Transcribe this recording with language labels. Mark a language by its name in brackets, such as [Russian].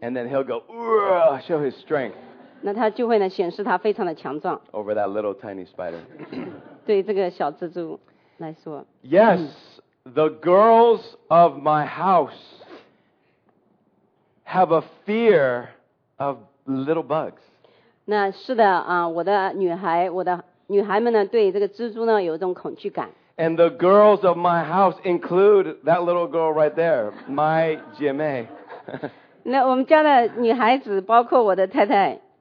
[English] And then he'll go ah, show his strength. [Chinese] 那他就会呢显示他非常的强壮。 [English] Over that little tiny spider. [Chinese] 对这个小蜘蛛来说。 [English] Yes, the girls of my house have a fear of little bugs. [Chinese] 那是的啊，我的女孩们呢对这个蜘蛛呢有一种恐惧感。 [English] And the girls of my house include that little girl right there, my [Chinese] 姐妹。那我们家的女孩子包括我的太太。